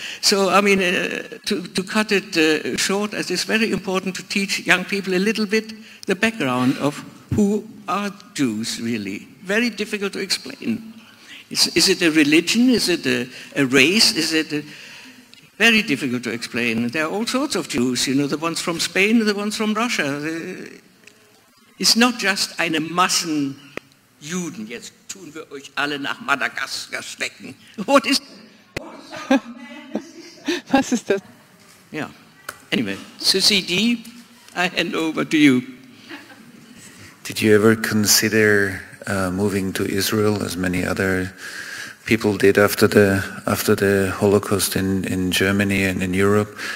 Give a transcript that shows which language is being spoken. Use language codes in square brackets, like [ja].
[en] So, I mean, to cut it short, as it's very important to teach young people a little bit the background of who are Jews, really. Very difficult to explain. Is it a religion? Is it a race? Is it very difficult to explain. There are all sorts of Jews, you know, the ones from Spain, the ones from Russia. It's not just [de] eine Massen Juden. Jetzt tun wir euch alle nach Madagaskar stecken. [en] What is... [de] Was ist das? [en] Yeah. Anyway, Susie D., I hand over to you. Did you ever consider moving to Israel, as many other people did after the Holocaust in Germany and in Europe?